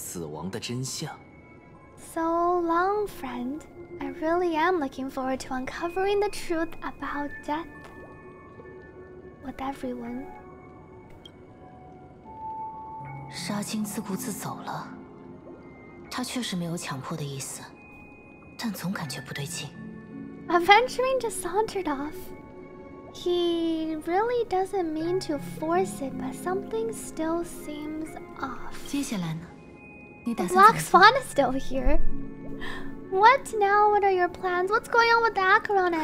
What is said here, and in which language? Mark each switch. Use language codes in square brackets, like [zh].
[zh] 回见，朋友。我真的非常期待能和各位一同揭开死亡的真相。 [en] So long, friend. I really am looking forward to uncovering the truth about death with everyone. [zh] 杀青自顾自走了。他确实没有强迫的意思。 [en] Aventurine just sauntered off. He really doesn't mean to force it, but something still seems off. [zh] 接下来呢? [en] Black Swan is still here. What now? What are your plans? What's going on with the acheron and